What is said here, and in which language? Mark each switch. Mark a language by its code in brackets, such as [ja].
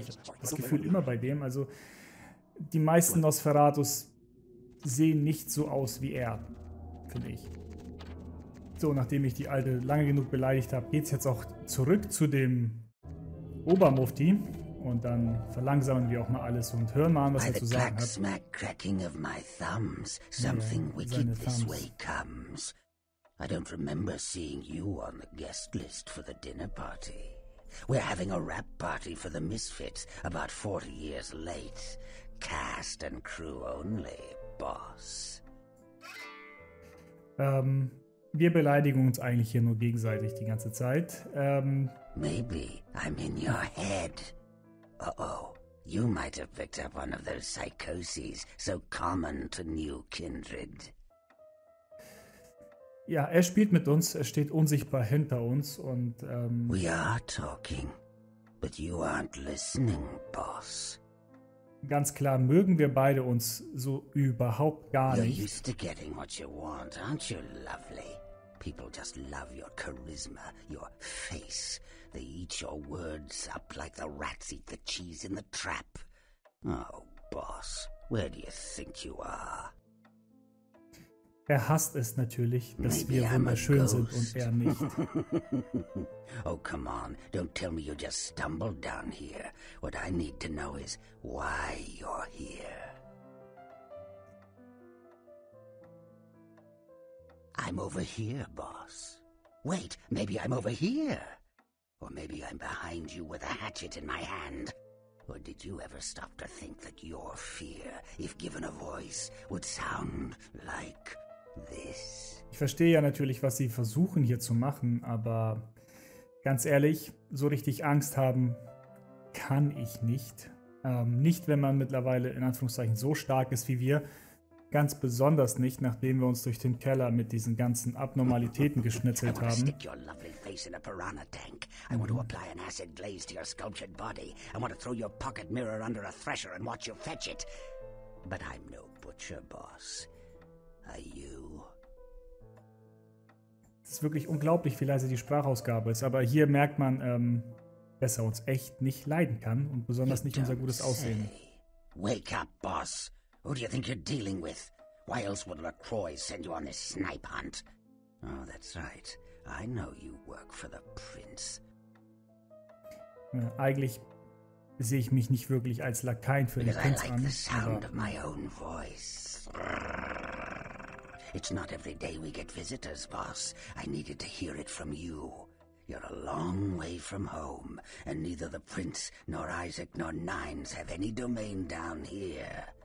[de] Ich habe das Gefühl immer bei dem. Also die meisten Nosferatus sehen nicht so aus wie er, finde ich. So, nachdem ich die Alte lange genug beleidigt habe, geht es jetzt auch zurück zu dem Obermufti. Und dann verlangsamen wir auch mal alles und hören mal an, was er zu sagen hat. [en] Smack cracking of my thumbs, something wicked this way comes. I don't remember seeing you on the guest list for the dinner party. We're having a rap party for the misfits, about 40 years late. Cast and crew only, boss. [de] Wir beleidigen uns eigentlich hier nur gegenseitig die ganze Zeit. [en] Maybe I'm in your head. Uh-oh, you might have picked up one of those psychoses so common to new kindred. [de] Ja, er spielt mit uns, er steht unsichtbar hinter uns und, [en] We are talking, but you aren't listening, boss. [de] Ganz klar mögen wir beide uns so überhaupt gar nicht. [en] You're used to getting what you want, aren't you lovely? People just love your charisma, your face. They eat your words up like the rats eat the cheese in the trap. Oh, boss, where do you think you are? [de] Er hasst es natürlich, dass wir wunderschön sind und er nicht. [en] Oh, come on, don't tell me you just stumbled down here. What I need to know is why you're here. I'm over here, boss. Wait, maybe I'm over here. Or maybe I'm behind you with a hatchet in my hand. Or did you ever stop to think that your fear, if given a voice, would sound like this? [de] Ich verstehe ja natürlich, was Sie versuchen hier zu machen, aber ganz ehrlich, so richtig Angst haben kann ich nicht. Nicht, wenn man mittlerweile in Anführungszeichen so stark ist wie wir. Ganz besonders nicht, nachdem wir uns durch den Keller mit diesen ganzen Abnormalitäten geschnitzelt haben. [en] Stick your lovely face in a piranha tank. I want to apply an acid glaze to your sculptured body. I want to throw your pocket mirror under a thresher and watch you fetch it. But I'm no butcher, boss. Are you? [de] Es ist wirklich unglaublich, wie leise die Sprachausgabe ist, aber hier merkt man, dass er uns echt nicht leiden kann und besonders nicht unser gutes Aussehen. [en] Wake up, boss! Who do you think you're dealing with? Why else would LaCroix send you on this snipe hunt? Oh, that's right. I know you work for the Prince. [de] Eigentlich sehe ich mich nicht wirklich als Lakaien für den Prinz an. [en] Because I like the sound of my own voice. It's not every day we get visitors, boss. I needed to hear it from you. You're a long way from home, and neither the Prince nor Isaac nor Nines have any domain down here.